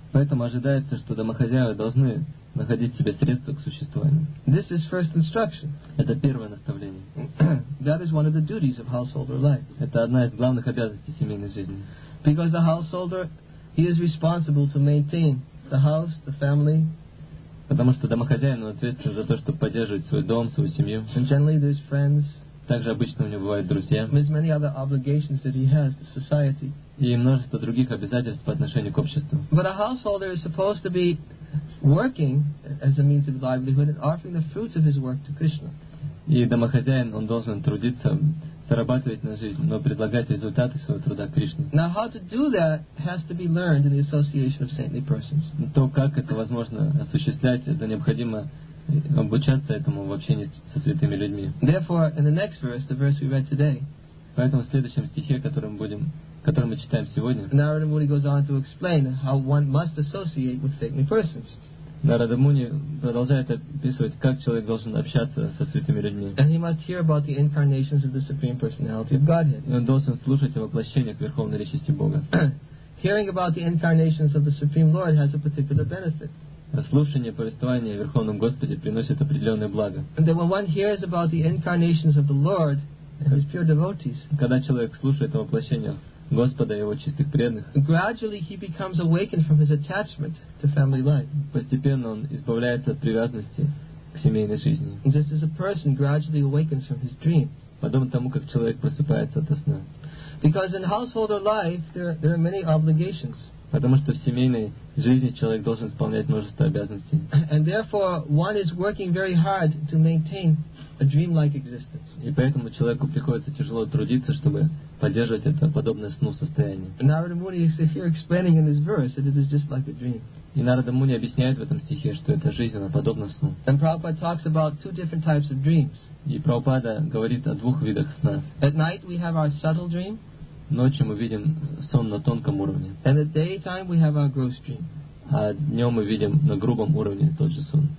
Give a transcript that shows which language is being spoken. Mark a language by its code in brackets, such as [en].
[ru] Поэтому ожидается, что домохозяева должны находить себе средства к существованию. [en] This is first instruction. [ru] Это первое наставление. [en] That is one of the duties of householder life. [ru] Это одна из главных обязанностей семейной жизни. [en] Because the householder, he is responsible to maintain the house, the family. [ru] Потому что домохозяин ответственен за то, чтобы поддерживать свой дом, свою семью. [en] And generally there's friends. [ru] Также обычно у него бывают друзья. [en] There's many other obligations that he has to society. [ru] И множество других обязательств по отношению к обществу. [en] But a householder is supposed to be working as a means of livelihood and offering the fruits of his work to Krishna. [ru] И домохозяин, он должен трудиться, зарабатывать на жизнь, но предлагать результаты своего труда Кришне. [en] Now how to do that has to be learned in the association of saintly persons. [ru] То, как это возможно осуществлять, это необходимо обучаться этому в общении со святыми людьми. [en] Therefore, in the next verse, the verse we read today, [ru] поэтому в следующем стихе, который мы читаем сегодня, [en] Narada Muni goes on to explain how one must associate with saintly persons. [ru] Нарада Муни продолжает описывать, как человек должен общаться со святыми людьми. [en] And he must hear about the incarnations of the Supreme Personality of Godhead. [ru] И он должен слушать о воплощениях Верховной Личности Бога. [en] Hearing about the incarnations of the Supreme Lord has a particular benefit. [ru] Слушание повествования о Верховном Господе приносит определенное благо. [en] And then when one hears about the incarnations of the Lord and his pure devotees, [ru] когда человек слушает о воплощениях Господа и его чистых преданных, [en] gradually he becomes awakened from his attachment to family life. [ru] Постепенно он избавляется от привязанности к семейной жизни. [en] Just as a person gradually awakens from his dream. [ru] Подобно тому, как человек просыпается ото сна. [en] Because in householder life there are many obligations. [ru] Потому что в семейной жизни человек должен исполнять множество обязанностей. [en] And therefore one is working very hard to maintain a dream-like existence. [ru] И поэтому человеку приходится тяжело трудиться, чтобы поддерживать это подобное сну состояние. [en] Narada Muni is here explaining in this verse that it is just like a dream. [ru] И Narada Muni объясняет в этом стихе, что эта жизнь она подобна сну. [en] And Prabhupada talks about two different types of dreams. [ru] И Прабхупада говорит о двух видах сна. [en] At night we have our subtle dream. [ru] Ночью мы видим сон на тонком уровне. [en] And at daytime we have our gross dream. [ru] А днем мы видим на грубом уровне тот же сон.